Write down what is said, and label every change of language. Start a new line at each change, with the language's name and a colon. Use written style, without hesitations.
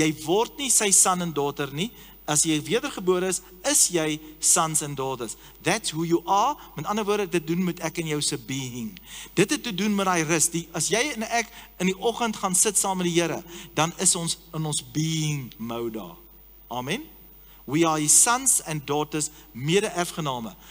Afrikaans: Jy word nie sy son en daughter nie. As jy wedergebore is, is jy
English: sons and daughters. That's who you are.
Afrikaans: Met ander woorde, dit doen met ek en jou se being. Dit het te doen met die rus. As jy en ek in die oggend gaan sit saam met die Here, dan is ons in ons being mode daar. Amen.
English: We are his sons and daughters, mede-erfgename.